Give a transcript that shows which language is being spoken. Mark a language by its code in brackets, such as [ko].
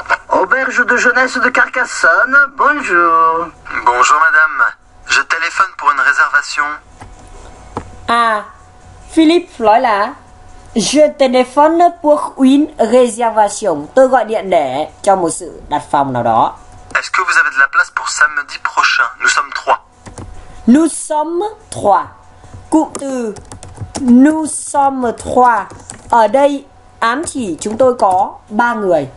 [fr] Auberge de jeunesse de Carcassonne, bonjour. Bonjour madame, je téléphone pour une réservation. [vi] Ah, Philippe nói là [fr] je téléphone pour une réservation. [vi] Tôi gọi điện để cho một sự đặt phòng nào đó. [fr] Est-ce que vous avez de la place pour samedi prochain? Nous sommes trois. Nous sommes trois. [vi] Cụm từ [fr] nous sommes trois [vi] ở đây ám chỉ chúng tôi có ba người.